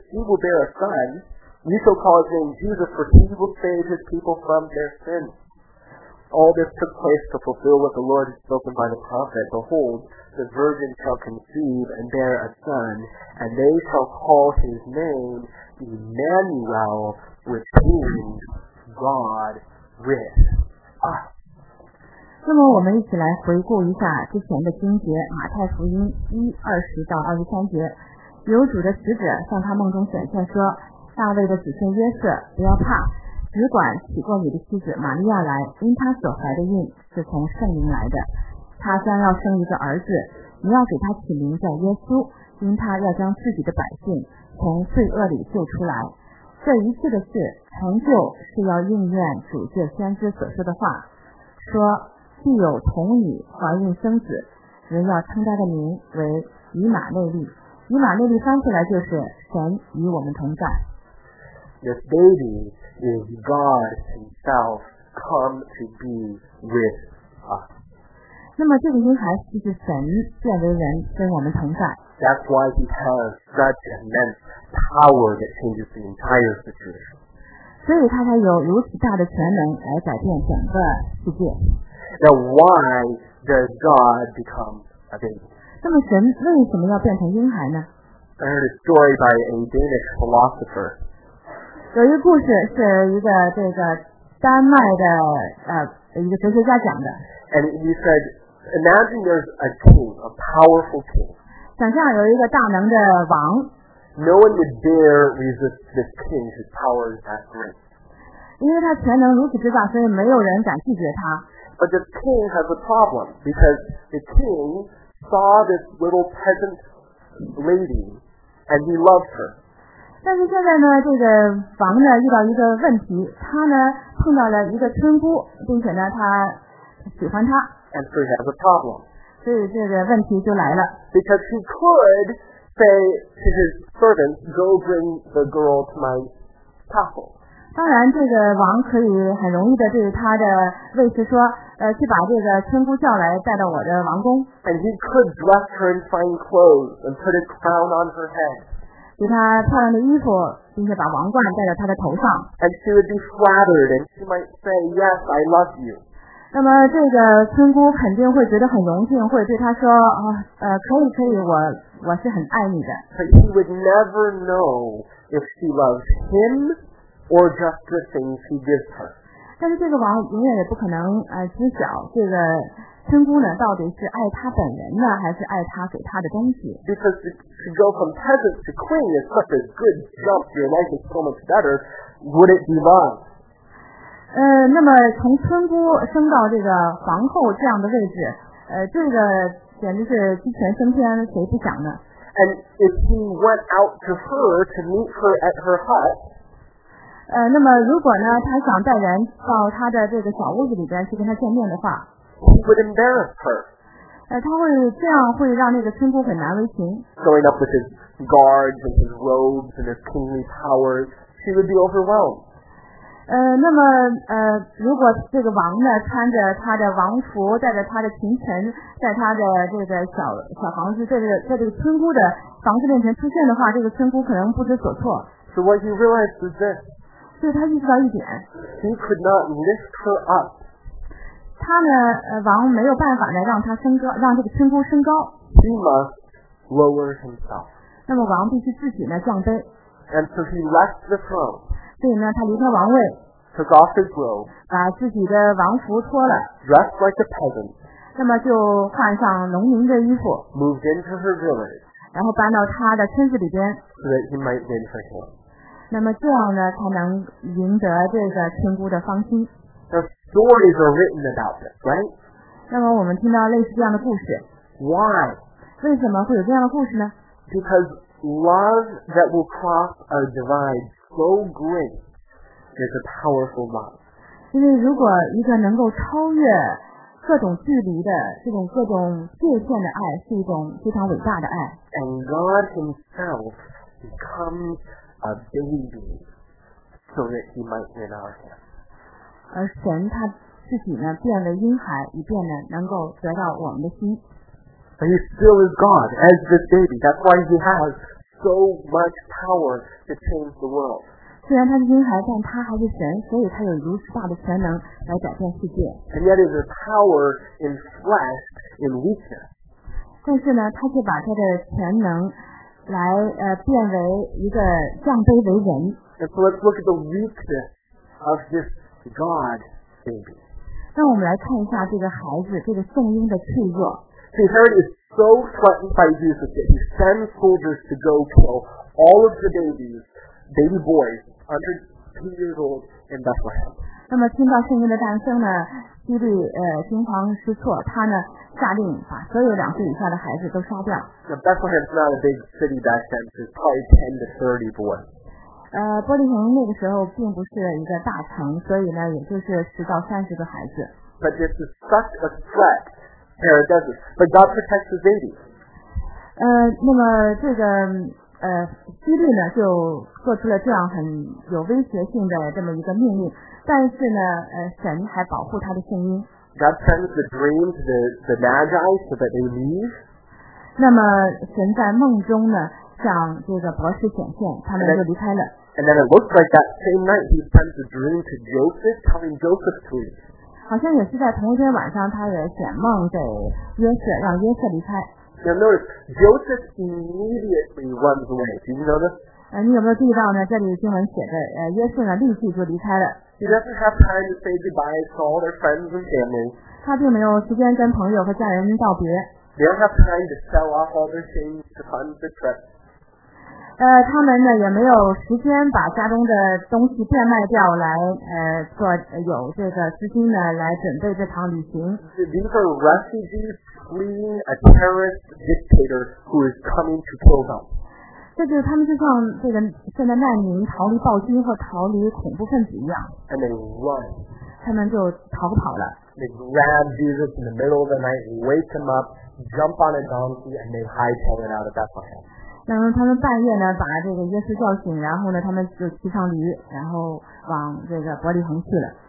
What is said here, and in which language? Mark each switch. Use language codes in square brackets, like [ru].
[en] She will bear a son. You shall call his name Jesus, for he will save his people from their sins. All this took place to fulfill what the Lord has spoken by the prophet. Behold, the virgin shall conceive and bear a son, and they shall call his name Emmanuel, which means... God with us. [zh] 那么我们一起来回顾一下之前的经节，马太福音1:20-23，有主的使者向他梦中显现说，大卫的子孙约瑟，不要怕，只管娶过你的妻子玛利亚来，因她所怀的孕是从圣灵来的，她将要生一个儿子，你要给他起名叫耶稣，因他要将自己的百姓从罪恶里救出来。这一切的事成就是要应验主借先知所说的话，说既有童女怀孕生子，人要称他的名为以马内利。以马内利翻出来就是神与我们同在。 [en] This baby is God himself come to be with us. [zh] 那么这个婴孩就是神变为人跟我们同在。 [en] That's why he has such immense power that changes the entire situation. [zh] 所以他才有如此大的权能来改变整个世界。 [en] Now, why does God become a baby? [zh] 那么神为什么要变成婴孩呢？ [en] I heard a story by a Danish philosopher. [zh] 有一个故事是一个这个丹麦的一个哲学家讲的。 [en] And he said, imagine there's a king, a powerful king. [zh] 想象有一个大能的王。 [en] No one would dare resist this king whose power is that great. [zh] 因为他全能如此之大，所以没有人敢拒绝他。 [en] But the king has a problem because the king saw this little peasant lady and he loved her. [zh] 但是现在呢，这个王呢遇到一个问题，他呢碰到了一个村姑，并且呢他喜欢她。 [en] And so he has a problem. [zh] 所以这个问题就来了。 [en] Because he could say to his servants, "Go bring the girl to my castle." [zh] 当然，这个王可以很容易的对他的卫士说，去把这个村姑叫来，带到我的王宫。 [en] And he could dress her in fine clothes and put a crown on her head. [zh] 给他漂亮的衣服，并且把王冠戴在他的头上。 [en] And she would be flattered, and she might say, "Yes, I love you." [zh] 那么这个村姑肯定会觉得很荣幸，会对他说，可以，可以，我是很爱你的。 [en] But he would never know if she loves him or just the things he gives her. [zh] 但是这个王永远也不可能知晓这个。村姑呢，到底是爱他本人呢，还是爱他给他的东西？ [en] Because to go from peasant to queen is such a good jump. Your life is so much better. Would it be love? [zh] 那么从村姑升到这个皇后这样的位置，这个简直是鸡犬升天，谁不想呢？ [en] And if he went out to her to meet her at her hut. [zh] 那么如果呢，他想带人到他的这个小屋子里边去跟他见面的话。 [en] He would embarrass her. [zh] 他会这样会让那个村姑很难为情。 [en] Going up with his guards and his robes and his kingly power, she would be overwhelmed. [zh] 那么如果这个王呢穿着他的王服，带着他的群臣，在他的这个小房子，在这个村姑的房子面前出现的话，这个村姑可能不知所措。 [en] So what he realized is this. [zh] 所以他意识到一点。 [en] He could not lift her up. [zh] 他呢，王没有办法呢，让他升高，让这个村姑升高。 [en] He must lower himself. [zh] 那么王必须自己呢降卑。 [en] And so he left the throne. [zh] 所以呢，他离开王位。 [en] Took off his robe. [zh] 把自己的王服脱了。 [en] Dressed like a peasant. [zh] 那么就换上农民的衣服。 [en] Moved into her village. [zh] 然后搬到他的村子里边。 [en] So that he might win her hand. [zh] 那么这样呢，才能赢得这个村姑的芳心。 [en] Stories are written about this, right? [zh] 那么我们听到类似这样的故事。 [en] Why? [zh] 为什么会有这样的故事呢？ [en] Because love that will cross a divide so great is a powerful love. [zh] 因为如果一个能够超越各种距离的这种各种界限的爱，是一种非常伟大的爱。 [en] And God himself becomes a baby so that he might win our hand. [zh] 而神他自己呢变为婴孩，以便呢能够得到我们的心。 [en] But he still is God as this baby. That's why he has so much power to change the world. [zh] 虽然他是婴孩，但他还是神，所以他有如此大的全能来改变世界。 [en] And yet it is power in flesh in weakness. [zh] 但是呢，他却把他的全能来变为一个降卑为人。 [en] And so let's look at the weakness of this. God, baby. [zh] 让我们来看一下这个孩子，这个宋婴的脆弱。 [en] See, Herod is so threatened by Jesus that he sends soldiers to go kill all of the babies, baby boys under 2 years old in Bethlehem. [zh] 那么听到宋婴的诞生呢，基利惊慌失措，他呢下令把所有2岁以下的孩子都杀掉。 [en] Now, Bethlehem's not a big city back then, so it's probably 10 to 30 boys. [zh] 玻璃城那个时候并不是一个大城，所以呢，也就是10到30个孩子。 [en] But this is such a threat, Herod does it. But God protects his baby. [zh] 那么这个希律呢，就做出了这样很有威胁性的这么一个命令，但是呢，神还保护他的圣婴。 [en] God sends the dream to the Magi so that they leave. [zh] 那么神在梦中呢？向这个博士显现，他们就离开了。 [en] And then it looks like that same night he sends a dream to Joseph, telling Joseph to leave. [zh] 好像也是在同一天晚上，他也显梦给约瑟，让约瑟离开。 [en] Now notice Joseph immediately runs away. Did you notice? [zh] 你有没有注意到呢？这里经文写的，约瑟呢立即就离开了。 [en] He doesn't have time to say goodbye to all their friends and family. [zh] 他并没有时间跟朋友和家人道别。 [en] They don't have time to sell off all their things to fund the trip. [zh] 他们呢也没有时间把家中的东西变卖掉来做有这个资金呢来准备这场旅行。 [en] These are refugees fleeing a terrorist dictator who is coming to kill them. [zh] 这就是他们就像这个现在难民逃离暴君和逃离恐怖分子一样。 [en] And they run. [zh] 他们就逃跑了。 [en] They grab Jesus in the middle of the night, wake him up, jump on a donkey, and they hightail it out of Bethlehem. [zh] 那么他们半夜呢把这个耶稣叫醒，然后呢他们就骑上驴，然后往这个伯利恒去了。